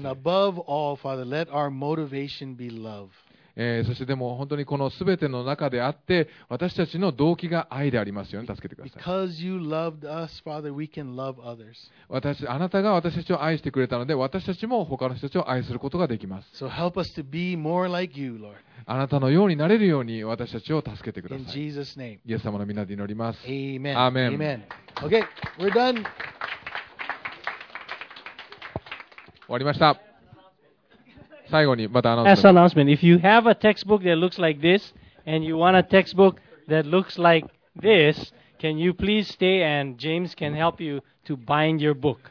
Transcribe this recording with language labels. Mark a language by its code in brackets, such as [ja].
[ja] そしてでも本当にこの全ての中であって私たちの動機が愛でありますように助けてください。私、あなたが私たちを愛してくれたので私たちも他の人たちを愛することができます。 [en] So help us to be more like you, Lord. [ja] あなたのようになれるように私たちを助けてください。 [en] In Jesus' name. [ja] イエス様の名で祈ります。 [en] Amen. Amen. Amen. Okay, we're done. [ja] 終わりました。最後にまたアナウンスです。 [en] As announcement, if you have a textbook that looks like this and you want a textbook that looks like this, can you please stay and James can help you to bind your book?